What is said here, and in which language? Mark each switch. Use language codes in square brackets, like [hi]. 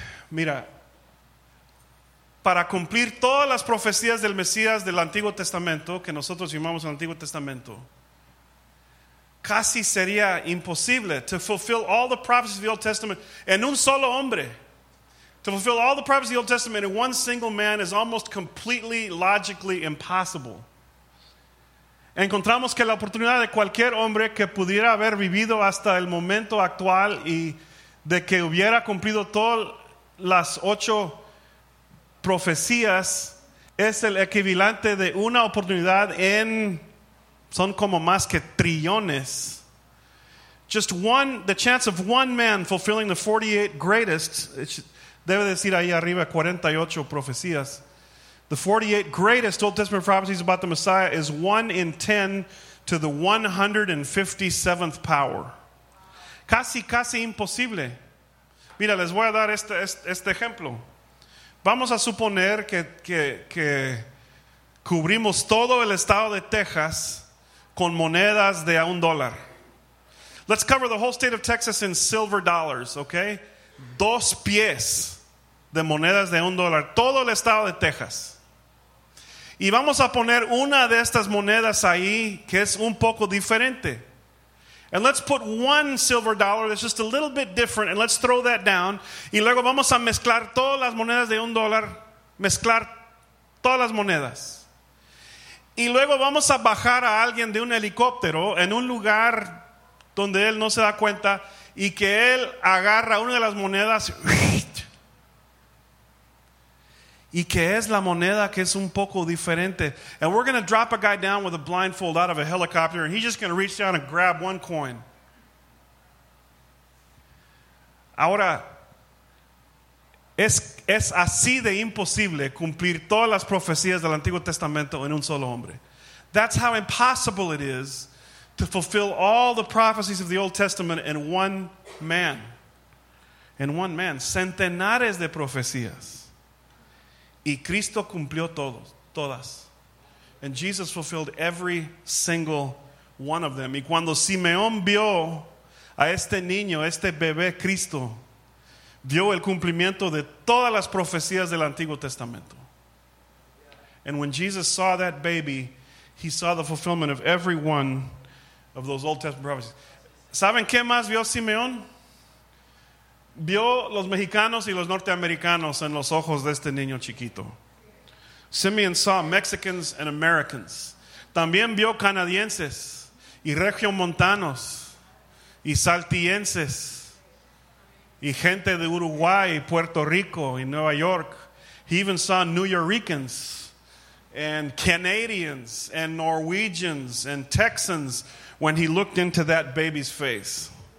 [es] Mira, para cumplir todas las profecías del Mesías del Antiguo Testamento, que nosotros llamamos el Antiguo Testamento, casi sería imposible [en] to fulfill all the prophecies of the Old Testament [es] en un solo hombre. [en] To fulfill all the prophecies of the Old Testament in one single man is almost completely, logically impossible. [es] Encontramos que la oportunidad de cualquier hombre que pudiera haber vivido hasta el momento actual y de que hubiera cumplido todas las ocho profecías es el equivalente de una oportunidad en, son como más que trillones. [en] Just one, the chance of one man fulfilling the 48 greatest, [es] debe decir ahí arriba 48 profecías. [en] The 48 greatest Old Testament prophecies about the Messiah is 1 in 10 to the 157th power. [es] Casi, casi imposible. Mira, les voy a dar este ejemplo. Vamos a suponer que cubrimos todo el estado de Texas con monedas de $1. [en] Let's cover the whole state of Texas in silver dollars, okay? [es] Dos pies de monedas de $1. Todo el estado de Texas. Y vamos a poner una de estas monedas ahí que es un poco diferente. [en] And let's put one silver dollar that's just a little bit different, and let's throw that down. [es] Y luego vamos a mezclar todas las monedas de $1. Mezclar todas las monedas. Y luego vamos a bajar a alguien de un helicóptero en un lugar donde él no se da cuenta y que él agarra una de las monedas y que es la moneda que es un poco diferente. [en] And we're going to drop a guy down with a blindfold out of a helicopter, and he's just going to reach down and grab one coin. [es] Ahora, es así de imposible cumplir todas las profecías del Antiguo Testamento en un solo hombre. [en] That's how impossible it is to fulfill all the prophecies of the Old Testament in one man. [es] en [en] one man, [es] centenares de profecías. Y Cristo cumplió todos, todas. [en] And Jesus fulfilled every single one of them. [es] Y cuando Simeón vio a este niño, este bebé Cristo, vio el cumplimiento de todas las profecías del Antiguo Testamento. [en] And when Jesus saw that baby, he saw the fulfillment of every one of those Old Testament prophecies. [es] ¿Saben qué más vio Simeón? Vio los mexicanos y los norteamericanos en los ojos de este niño chiquito. [en] Simeón saw Mexicans and Americans. [es] También vio canadienses y regiomontanos y saltillenses y gente de Uruguay, Puerto Rico y Nueva York. [en] He even saw New Yorkians and Canadians and Norwegians and Texans when he looked into that baby's face.